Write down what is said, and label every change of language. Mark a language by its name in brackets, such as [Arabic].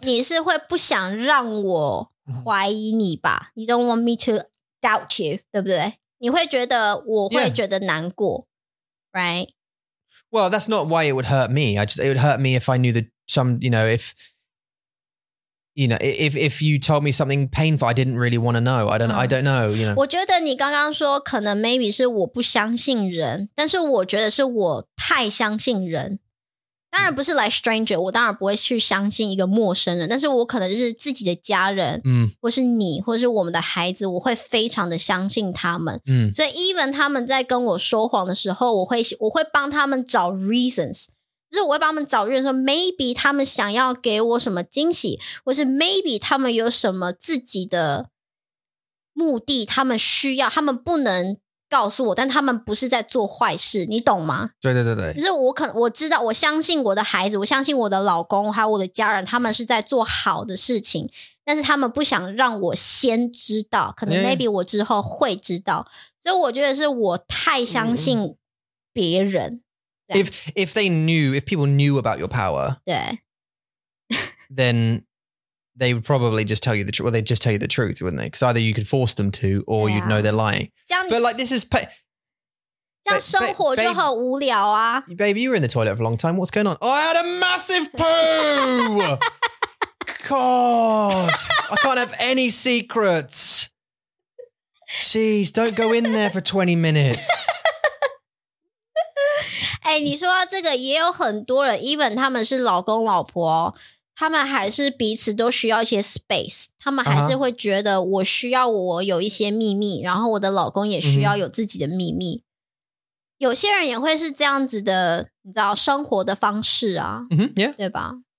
[Chinese] 你是会不想让我怀疑你吧 ？ [English] You don't want me to doubt you, [Chinese] 对不对？你会觉得我会、yeah. 觉得难过 ，right? [English] Well, that's not why it would hurt me. It would hurt me if I knew the some. You know, if you told me something painful, I didn't really want to know. I don't know. You know. [Chinese] 我觉得你刚刚说可能 maybe 是我不相信人，但是我觉得是我太相信人。当然不是 [English] like stranger，、 [Chinese] 嗯、我当然不会去相信一个陌生人，但是我可能就是自己的家人，嗯，或是你，或是我们的孩子，我会非常的相信他们，嗯。所以 even 他们在跟我说谎的时候，我会帮他们找 reasons。就是我会帮他们找人说 maybe 他们想要给我什么惊喜或是 maybe 他们有什么自己的目的他们需要他们不能告诉我但他们不是在做坏事你懂吗对对对对就是我知道我相信我的孩子我相信我的老公还有我的家人他们是在做好的事情但是他们不想让我先知道可能 maybe 我之后会知道、嗯、所以我觉得是我太相信别人、嗯 [English] Yeah. If they knew, if people knew about your power, yeah. then they would probably just tell you the truth. Well, they'd just tell you the truth, wouldn't they? Because either you could force them to, or、yeah. you'd know they're lying. [Chinese] 这样, [English] but like, this is... [Chinese] 这样生活就很无聊啊。 [English] Babe, you were in the toilet for a long time. What's going on? Oh, I had a massive poo! God, I can't have any secrets. Jeez, don't go in there for 20 minutes. [Chinese] 哎，你说到这个，也有很多人 even 他们是老公老婆，他们还是彼此都需要一些 space， 他们还是会觉得我需要我有一些秘密，然后我的老公也需要有自己的秘密。有些人也会是这样子的，你知道生活的方式啊，对吧？